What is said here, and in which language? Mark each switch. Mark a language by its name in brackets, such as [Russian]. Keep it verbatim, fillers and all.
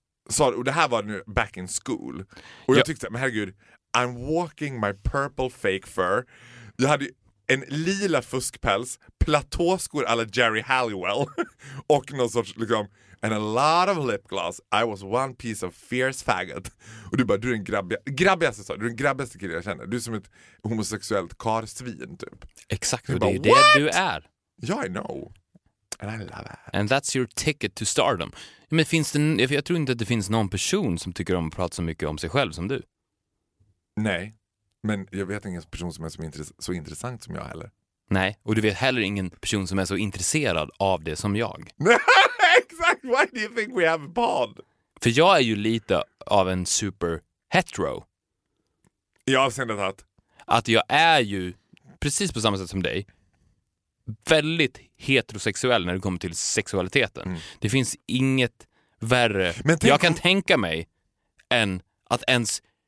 [Swedish] Så, och det här var nu [English] back in school. [Swedish] Och jag ja. tyckte, men herregud... [English] I'm walking my purple fake fur. [Swedish] Jag hade en lila fuskpäls, platåskor à la Jerry Halliwell och någon sorts liksom, [English] and a lot of lip gloss. I was one piece of fierce faggot. [Swedish] Och du bara, du är den grabbiga, grabbigaste så, du är den grabbigaste killen jag känner. Du är som ett homosexuellt karsvin typ. Exakt, och det är det du är. [English] Ja, I know. And I love it. And that's your ticket to stardom. [Swedish] Men finns det, jag tror inte att det finns någon person som tycker om att prata så mycket om sig själv som du. Nej, men jag vet ingen person som är så, intress- så intressant som jag heller. Nej, och du vet heller ingen person som är så intresserad av det som jag. Exakt, [English] why do you think we have a pod? [Swedish] För jag är ju lite av en super hetero. I avseendet att? Att jag är ju, precis på samma sätt som dig, väldigt heterosexuell när det kommer till sexualiteten. Mm. Det finns inget värre. Men tänk... Jag kan tänka mig än att ens...